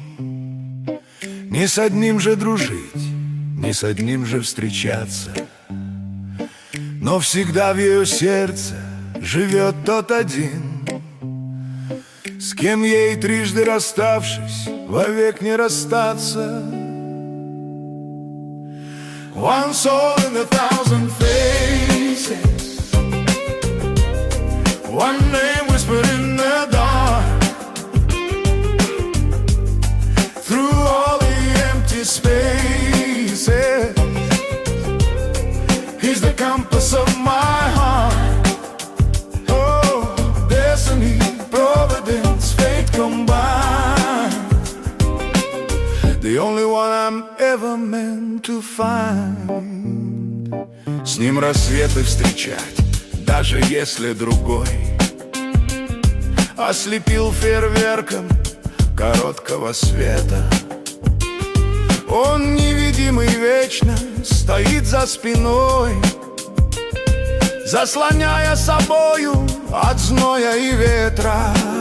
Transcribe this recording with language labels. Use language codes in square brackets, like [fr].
[ru] Ни с одним же дружить, ни с одним же встречаться. Но всегда в ее сердце живет тот один, с кем ей трижды расставшись, вовек не расстаться. [en] One soul in a thousand faces, one name whispered in the dark. Through all the empty spaces, he's the compass of my heart. Oh, destiny, providence, fate combined. The only one I'm ever meant to find. [ru] С ним рассветы встречать, даже если другой ослепил фейерверком короткого света. Он невидимый вечно стоит за спиной, заслоняя собою от зноя и ветра.